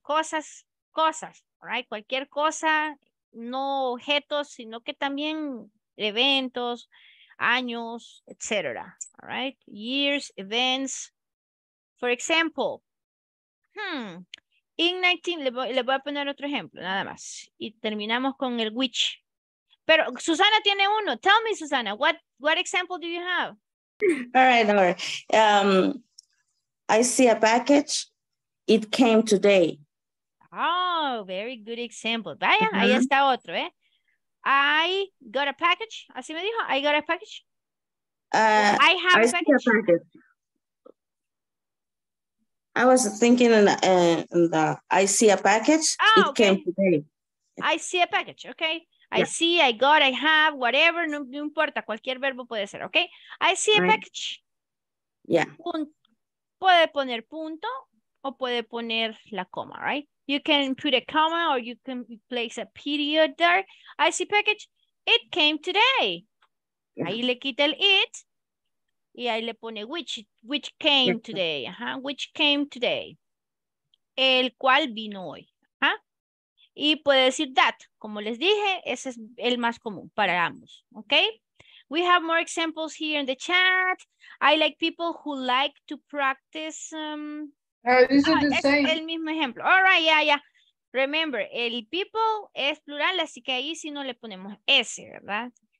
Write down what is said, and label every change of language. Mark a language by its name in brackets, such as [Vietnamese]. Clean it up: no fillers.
[Spanish] Cosas, right? Cualquier cosa, no objetos, sino que también eventos, años, etc. All right? [English] Years, events. For example, [Spanish] In 19, le voy a poner otro ejemplo, nada más. Y terminamos con el which. Pero Susana tiene uno. [English] Tell me, Susana, what example do you have? All right. I see a package. It came today. Oh, very good example. [Spanish] Vaya, uh-huh. Ahí está otro, I got a package. Así me dijo, I got a package. [English] I was thinking I see a package. Oh, it came today. I see a package, okay. Yeah. I see, I got, I have, whatever, no importa, cualquier verbo puede ser, okay? I see a package. Yeah. [Spanish] Puede poner punto o puede poner la coma, right? [English] You can put a comma or you can place a period there. I see package. It came today. Yeah. [Spanish] Ahí le quita el it. Y ahí le pone which came today. Uh-huh. Which came today. El cual vino hoy. Uh-huh. Y puede decir that. Como les dije, ese es el más común para ambos. [English] Okay? We have more examples here in the chat. I like people who like to practice. This is the same. [Spanish] El mismo ejemplo. All right, yeah. Remember, el people es plural, así que ahí sí no le ponemos S, ¿verdad?